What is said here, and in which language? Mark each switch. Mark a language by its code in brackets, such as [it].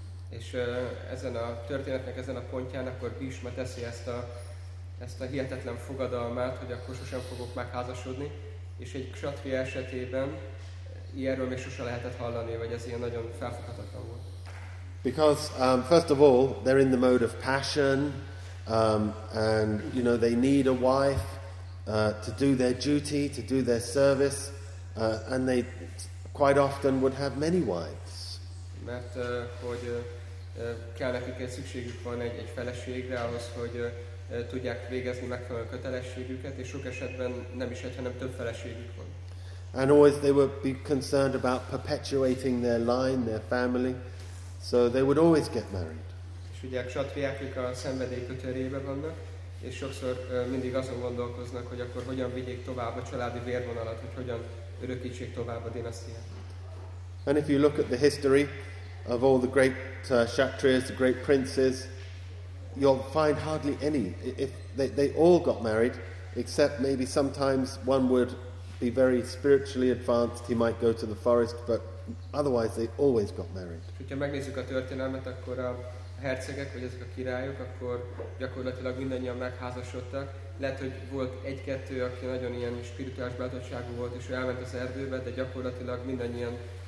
[hu] És ezen a történetnek ezen a pontján akkor Bhishma teszi ezt a hihetetlen fogadalmát, hogy akkor sosem fogok megházasodni, és egy kshatriya esetében ilyenről még sosem lehetett hallani, vagy ez ilyen nagyon felfoghatatlan volt. [en] Because first of all, they're in the mode of passion, and you know they need a wife to do their duty, to do their service, and they quite often would have many wives. [hu] Mert hogy kell nekik egy szükségük van egy feleségre ahhoz, hogy tudják végezni megfelelő kötelességüket, és sok esetben nem is egy, hanem több feleségük van. [en] And always they would be concerned about perpetuating their line, their family, so they would always get married. [hu] És ugye a kshatriák ők a szenvedély kötőjébe vannak, és sokszor mindig azon gondolkoznak, hogy akkor hogyan vigyék tovább a családi vérvonalat, hogy hogyan örökítsék tovább a dinasztiát. [en] And if you look at the history of all the great kshatriyas, the great princes, you'll find hardly any. If they all got married, except maybe sometimes one would be very spiritually advanced, he might go to the forest, but otherwise they always got married. [hu] Ha megnézzük a történelmet, akkor a hercegek, vagy ezek a királyok, akkor gyakorlatilag mindannyian megházasodtak. Lehet, hogy volt egy-kettő, aki nagyon ilyen spirituális bátorságú volt, és ő elment az erdőbe, de gyakorlatilag mindannyian